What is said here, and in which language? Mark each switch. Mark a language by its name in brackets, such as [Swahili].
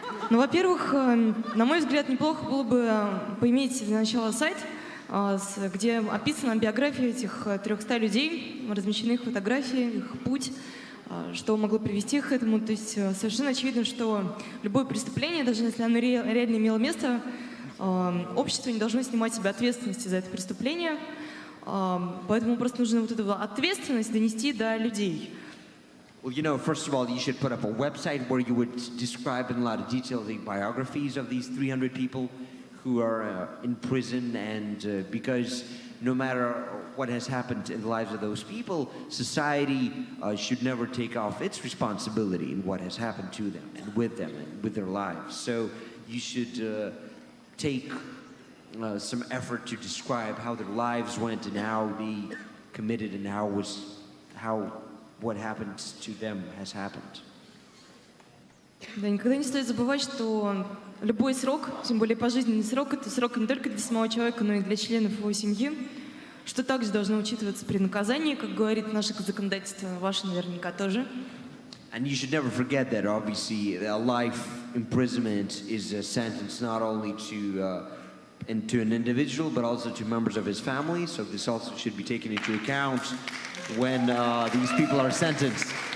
[Russian] Ну, во-первых, на мой взгляд, неплохо было бы поиметь для начала сайт, где описана биография этих 300 людей, размещены их фотографии, их путь, что могло привести их к этому. То есть совершенно очевидно, что любое преступление, даже если оно реально имело место, общество не должно снимать себя ответственности за это преступление. Поэтому просто нужно вот эту ответственность донести до людей. [English] Well, you know, first of all, you should put up a website where you would describe in a lot of detail the biographies of these 300 people who are in prison, and because no matter what has happened in the lives of those people, society should never take off its responsibility in what has happened to them and with them and with their lives. So you should take some effort to describe how their lives went and how they committed and how what happened to them has happened. [Russian] Да, никогда не стоит забывать, что любой срок, тем более пожизненный срок, это срок не только для самого человека, но и для членов его семьи, что также должно учитываться при наказании, как говорит наше законодательство, ваше наверняка тоже. [English] And you should never forget that, obviously, a life imprisonment is a sentence not only to and to an individual, but also to members of his family. So this also should be taken into account when these people are sentenced.